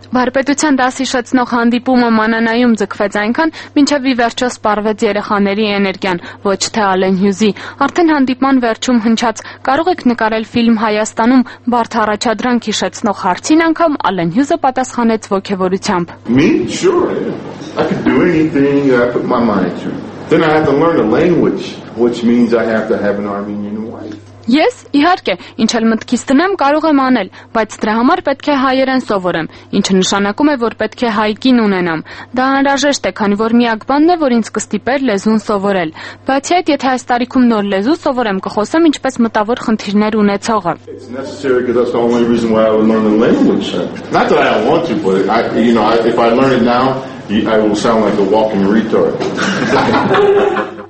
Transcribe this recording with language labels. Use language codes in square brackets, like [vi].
[hy] Վարպետության դասի շեցնող հանդիպումը Մանանայում ձգվեց այնքան, մինչև ի վերջո սպառվեց երեխաների էներգիան, ոչ թե Ալեն Հյուզի։ Արդեն հանդիպման վերջում հնչած, կարող եք նկարել ֆիլմ Հայաստանում, բարդ առաջադրանք հիշեցնող հարցին անգամ Ալեն Հյուզը պատասխանեց ոգևորությամբ. [en] Me sure. I could do anything I put my mind to. Then I have to learn a language, which means I have to have an Armenian wife. [hy] Ես, իհարկե, ինչ էլ մտքիս դնեմ, կարող եմ անել, բայց դրա համար պետք է հայերեն սովորեմ, ինչը նշանակում է, որ պետք է հայկին ունենամ։ Դա անհրաժեշտ է, քանի որ միակ բանն է, որ ինձ կստիպեր լեզուն սովորել։ Բացի այդ, եթե այս տարիքում նոր լեզու սովորեմ, կխոսեմ ինչպես մտավոր խնդիրներ ունեցողը։